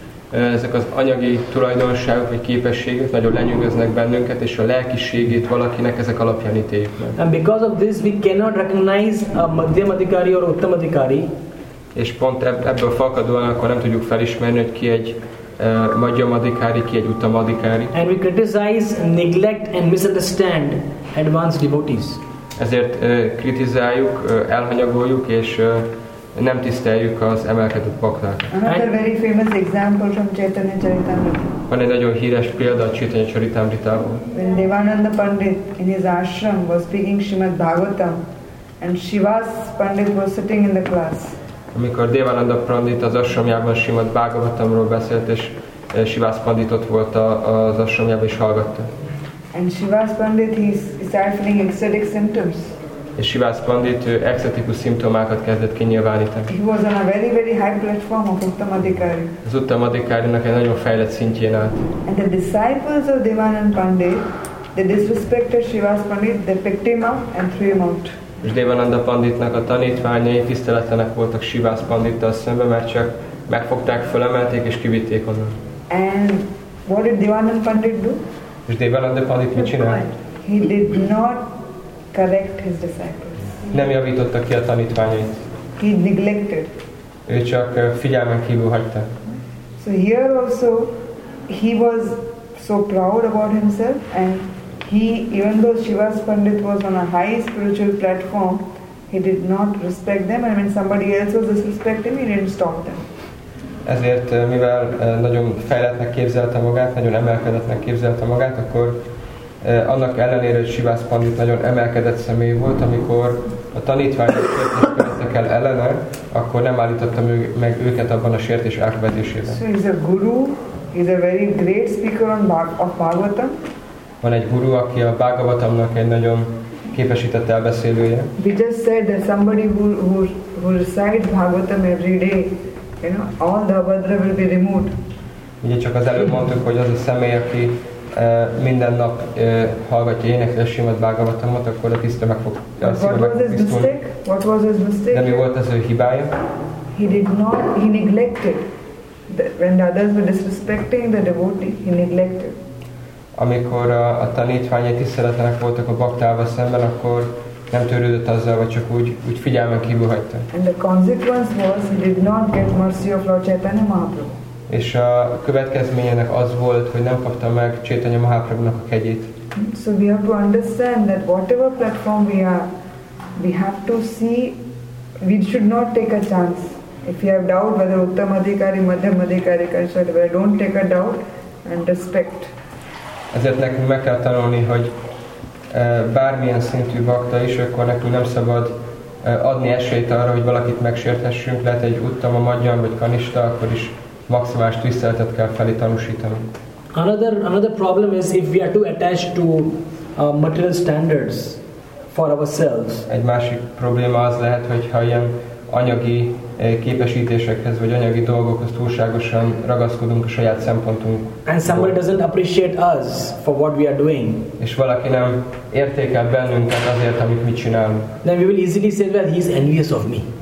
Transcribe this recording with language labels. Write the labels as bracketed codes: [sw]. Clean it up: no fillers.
[hu] Ezek az anyagi tulajdonságok vagy képességek nagyon lenyűgöznek bennünket, és a lelkiségét valakinek ezek alapján ítéljük meg. [en] And because of this we cannot recognize a Madhyam Adhikari or Uttam Adhikari. [hu] És pont ebből fakadóan akkor nem tudjuk felismerni, hogy ki egy Madhyam Adhikari, ki egy Uttam Adhikari. [en] And we criticize, neglect and misunderstand advanced devotees. [hu] Ezért kritizáljuk, elhanyagoljuk és nem tiszteljük az emelkedett bakták. [en] Another very famous example from Chaitanya Charitamrita. [hu] Van egy nagyon híres példa a Chaitanya Charitamritából. [en] When Devananda Pandit in his ashram was speaking Srimad Bhagavatam and Shivas Pandit was sitting in the class. [hu] Amikor Devananda Pandit az ashramjában Srimad Bhagavatamról beszélt, és Shivas Pandit ott volt az ashramjában is hallgatta. [en] And Shivas Pandit, he started feeling ecstatic symptoms. [hu] És Shivas Pandit, ő ecstatikus szimptomákat kezdett kinyilvánítani. [en] He was on a very, very high platform of Uttam Adhikari. [hu] Az Uttam Adhikárinak egy nagyon fejlett szintjén állt. [en] And the disciples of Devananda Pandit, they disrespected Shivas Pandit, they picked him up and threw him out. [hu] És Devananda Panditnak a tanítványai tiszteletlenek voltak Shivas Pandittal szemben, mert csak megfogták, fölemelték és kivitték onnan. [en] And what did Devananda Pandit do? [hu] És Devananda Pandit mit csinált? [en] He did not correct his disciples. [hu] Nem javította ki a tanítványait. [en] He neglected. [hu] Ő csak figyelmen kívül hagyta. [en] So here also he was so proud about himself and he, even though Shivas Pandit was on a high spiritual platform, he did not respect them. And when somebody else was disrespecting, he didn't stop them. [hu] Ezért, mivel nagyon fejlettnek képzelte magát, nagyon emelkedettnek képzelte magát, akkor annak ellenére, hogy Shivas Pandit nagyon emelkedett személy volt, amikor a tanítványok sértésköltek el ellene, akkor nem állította meg őket abban a sértés elkövetésében. [en] So he's a guru, he's a very great speaker on of Bhagavatam. [hu] Van egy guru, aki a Bhagavatamnak egy nagyon képesített elbeszélője. [en] We just said that somebody who recites Bhagavatam every day, you know, all the avadra will be removed. [hu] Ugye csak az előbb mondtuk, hogy az a személy, aki minden nap hallgatja énekli a Srimad Bhagavatamot, akkor a tiszta meg fog tisztulni. [en] What was his mistake? [hu] De mi volt az ő hibája? [en] He neglected. When the others were disrespecting the devotee, he neglected. [hu] Amikor a tanítványai tiszteletlenek voltak a baktával szemben, akkor nem törődött azzal, vagy csak úgy figyelmen kívül hagyta. [en] And the consequence was he did not get mercy of Lord Chaitanya Mahaprabhu. [hu] És a következményének az volt, hogy nem kapta meg Chaitanya Mahaprabhunak a kegyét. [en] So we have to understand that whatever platform we have to see, we should not take a chance. If you have doubt whether Uttam Adhikari, Madhyam Adhikari, Krishna, don't take a doubt. and respect. [hu] Ezért nekünk meg kell tanulni, hogy bármilyen szintű bakta is, akkor nekünk nem szabad adni esélyt arra, hogy valakit megsérthessünk, lehet egy uttam a magyar vagy kanista, akkor is maximális tiszteletet kell felé tanúsítani. [en] Another problem is if we are too attached to material standards for ourselves. [hu] Egy másik probléma az lehet, hogy ha ilyen anyagi képesítésekhez vagy anyagi dolgokhoz túlságosan ragaszkodunk a saját szempontunk. [en] And somebody doesn't appreciate us for what we are doing. [hu] És valaki nem értékel bennünket azért, amit mi csinálunk. [en] Then we will easily say, well, he's envious of me.